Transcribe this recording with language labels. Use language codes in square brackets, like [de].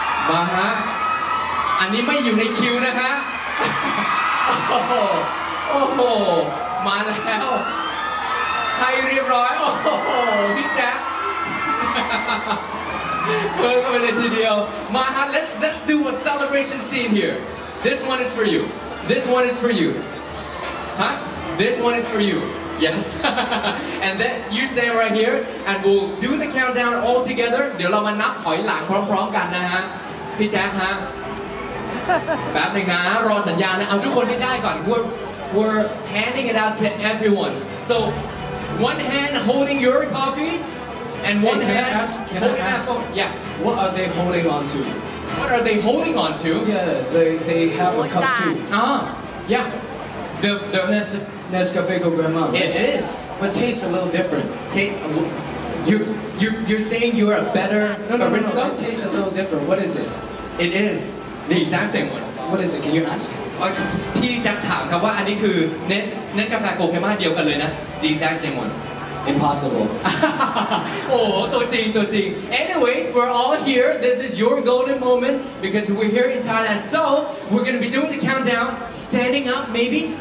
[th] มาฮะอันนี้ไม่อยู่ในคิวนะฮะโอ้โหมาแล้วให้เรียบร้อยโอ้โหพี่แจ๊คเพิ่งเข้าไปเลยทีเดียวมาฮะ [en] let's do a celebration scene here this one is for you this one is for you huh this one is for you Yes. And then you stay right here and we'll do the countdown all together. [th] เดี๋ยวเรามานับถอยหลังพร้อมๆกันนะฮะพี่แจ๊คฮะแป๊บนึงนะรอสัญญาณนะเอาทุกคนให้ได้ก่อน [en] we're handing it out to everyone. So one hand holding your coffee and one hand can I ask yeah, what are they holding on to? What are they holding on to? Yeah, they have a cup too. Yeah. The Nescafe con Grandma. Right? It is. But tastes a little different. You're saying you're a better barista? No, it tastes a little different. What is it? It is. The exact same one. What is it? Can you ask? [th] พี่จะถามครับว่าอันนี้คือเนสกาแฟโคเคม่าเดียวกันเลยนะ [en] The exact same one. Impossible. [th] ตัวจริง [en] Anyways, we're all here. This is your golden moment because we're here in Thailand. So we're gonna be doing the countdown, standing up maybe.